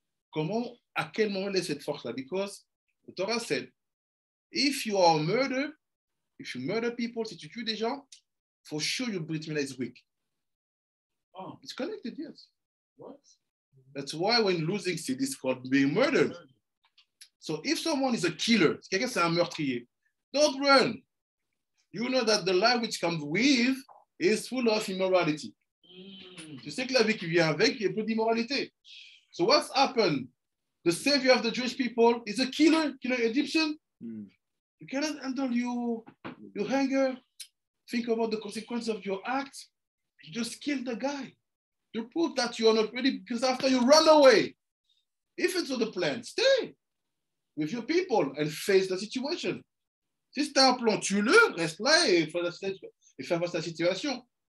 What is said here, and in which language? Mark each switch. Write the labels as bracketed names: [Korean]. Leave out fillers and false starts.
[French] Comment, à quel moment est cette force-là? [English] Because the Torah said, if you are a murderer, if you murder people, [French] si tu tues des gens, [English] for sure your Brit Mila is weak. Oh. It's connected, yes. What? That's why when losing, see, this is called being murdered. So if someone is a killer, [French] quelqu'un c'est un meurtrier, [English] don't run. You know that the life which comes with is full of immorality. [French] Tu sais que la vie qui vient avec est plus d'immoralité. [English] So what's happened? The savior of the Jewish people is a killer Egyptian. You cannot handle your anger. Think about the consequences of your act. You just kill the guy. You prove that you are not ready because after you run away. If it's on the plan, stay with your people and face the situation. [French] Si c'est un plan, tue-le, reste là et fais face à la situation.